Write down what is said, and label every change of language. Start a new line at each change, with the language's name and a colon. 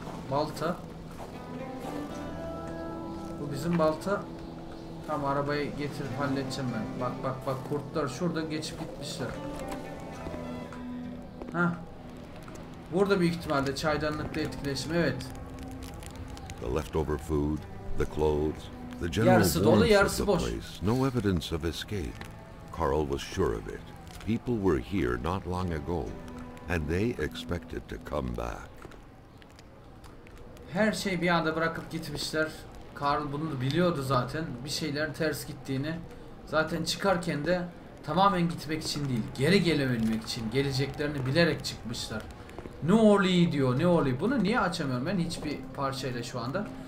Turkish: Balta. Bu bizim balta. Tamam, arabayı getir, halledeceğim ben. Bak bak bak, kurtlar şurada geçip gitmişler. Hah. Burada büyük ihtimalle çaydanlıkla etkileşim, evet.
English: The leftover food, the clothes, the general
Turkish: yarısı dolu, yarısı
English: of the
Turkish: boş.
English: Place. No evidence of escape. Carl was sure of it. People were here not long ago, and they expected to come back.
Turkish: Her şey bir anda bırakıp gitmişler. Carl bunu da biliyordu zaten. Bir şeylerin ters gittiğini. Zaten çıkarken de tamamen gitmek için değil, geri gelebilmek için geleceklerini bilerek çıkmışlar. Ne oluyor diyor, ne oluyor? Bunu niye açamıyorum ben hiçbir parçayla şu anda?